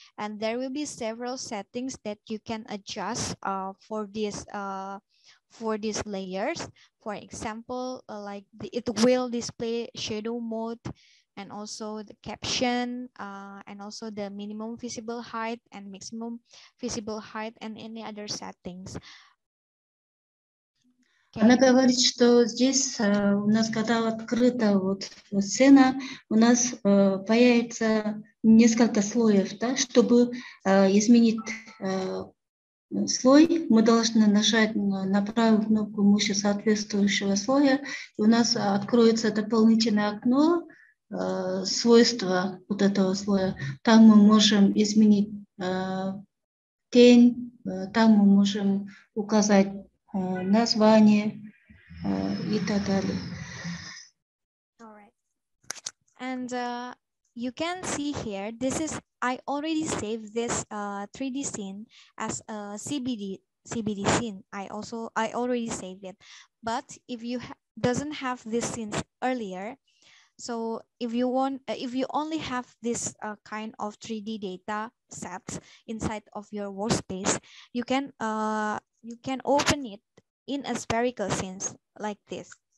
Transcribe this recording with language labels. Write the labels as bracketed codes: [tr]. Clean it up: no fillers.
[en] And there will be several settings that you can adjust for these layers. For example, like it will display shadow mode, and also the caption, and also the minimum visible height and maximum visible height, and any other settings. Okay. [ru] Она говорит, что здесь у нас, когда открыта вот сцена, у нас появится несколько слоев, да, чтобы изменить слой, мы должны нажать на правую кнопку мыши соответствующего слоя, и у нас откроется дополнительное окно, свойства вот этого слоя. Там мы можем изменить тень, там мы можем указать название и так далее. [en] All right. And you can see here, this is, I already saved this 3D scene as a CBD scene. I already saved it. But if you doesn't have this scene earlier, so if you only have this kind of 3D data sets inside of your workspace, you can open it in a spherical sense like this.